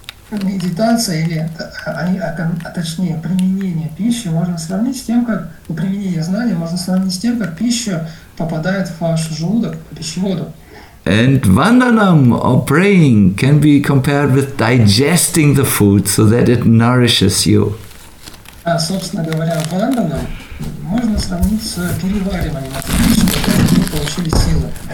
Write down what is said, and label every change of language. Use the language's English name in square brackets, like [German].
[Russian] Медитация или а точнее применение пищи можно сравнить с тем, как применение знаний можно сравнить с тем, как пища попадает в ваш желудок, в пищеводу. [English] And vandanam or praying can be compared with digesting the food so that it nourishes you. [Russian] А, собственно говоря, ванданам можно сравнить с перевариванием пищи, чтобы получили силы.